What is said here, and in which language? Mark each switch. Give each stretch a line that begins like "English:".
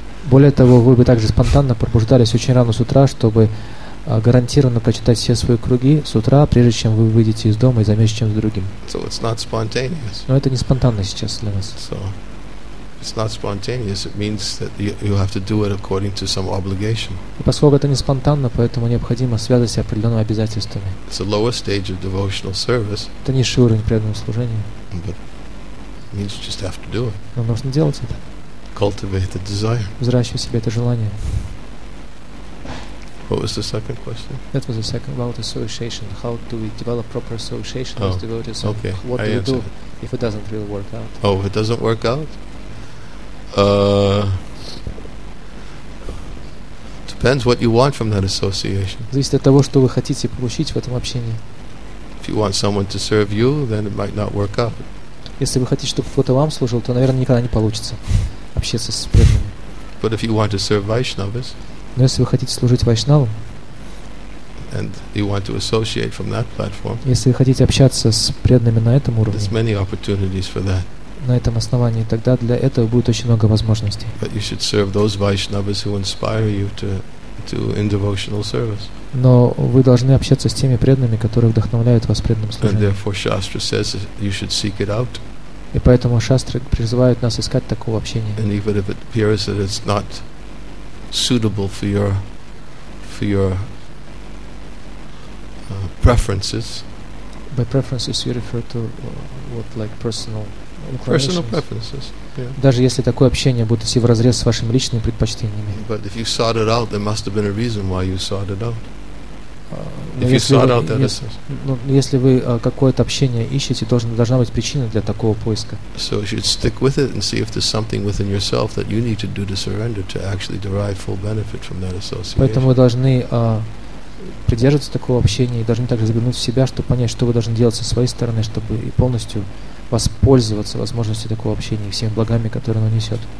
Russian: Более того, вы бы также спонтанно пробуждались очень рано с утра, чтобы гарантированно прочитать все свои круги с утра, прежде чем вы выйдете из дома и займете чем-то другим.
English: So it's not spontaneous.
Russian: Но это не спонтанно сейчас для нас.
English: So it's not spontaneous. It means that you have to do it according to some obligation.
Russian: И поскольку это не спонтанно, поэтому необходимо связать себя определенными обязательствами.
English: It's a lower stage of devotional service.
Russian: Это низший уровень преданного служения.
English: Means you just have to do it.
Russian: Но нужно делать это.
English: Cultivate the desire.
Russian: Взращивай себе это желание.
English: What was the second question? That was the second about association. How do we develop proper association with devotees? Okay. What I do you do it. If it doesn't really work out? Oh, it doesn't work out. Depends what you want from that association.
Russian: Зависит от того, что вы хотите получить в этом общении.
English: If you want someone to serve you, then it might not work out.
Russian: Если вы хотите, чтобы кто-то вам служил, то, наверное, никогда не получится общаться с преданными.
English: But if you want to serve Vaishnavas,
Russian: но если вы хотите служить вайшнавам,
English: and you want to associate from that platform,
Russian: если вы хотите общаться с преданными на этом уровне,
English: there's many opportunities for that.
Russian: На этом основании, тогда для этого будет очень много возможностей.
English: But you should serve those Vaishnavas who inspire you to in devotional service.
Russian: Но вы должны общаться с теми преданными, которые вдохновляют вас в преданном служении.
English: And therefore Shastra says you should seek it out.
Russian: И поэтому Шастры призывают нас искать такого общения.
English: And even if it appears that it's not suitable for your preferences. By preferences you refer to what, like personal inclinations? Personal preferences. Yeah.
Russian: Даже если такое общение будет идти вразрез с вашими личными предпочтениями.
English: But if you sought it out, there must have been a reason why you sought it out.
Russian: Если вы какое-то общение ищете, должна быть причина для такого поиска.
English: So you should stick with it and see if there's something within yourself that you need to do to surrender to actually derive full benefit from that association.
Russian: Поэтому вы должны придерживаться такого общения и должны также заглянуть в себя, чтобы понять, что вы должны делать со своей стороны, чтобы и полностью воспользоваться возможностью такого общения и всеми благами, которые оно несет.